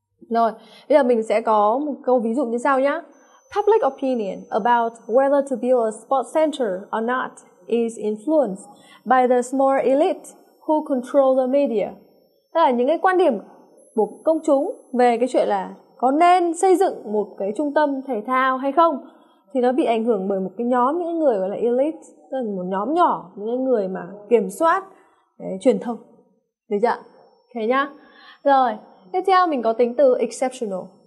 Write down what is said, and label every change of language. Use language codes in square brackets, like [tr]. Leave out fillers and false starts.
[vi] Rồi, bây giờ mình sẽ có một câu ví dụ như sau nhá. [en] Public opinion about whether to build a sports center or not is influenced by the small elite who control the media. [vi] Tức là những cái quan điểm của công chúng về cái chuyện là có nên xây dựng một cái trung tâm thể thao hay không thì nó bị ảnh hưởng bởi một cái nhóm, những người gọi là elite, tức là một nhóm nhỏ, những người mà kiểm soát đấy, truyền thông. Được chưa? Ok nhá. Rồi, tiếp theo mình có tính từ exceptional.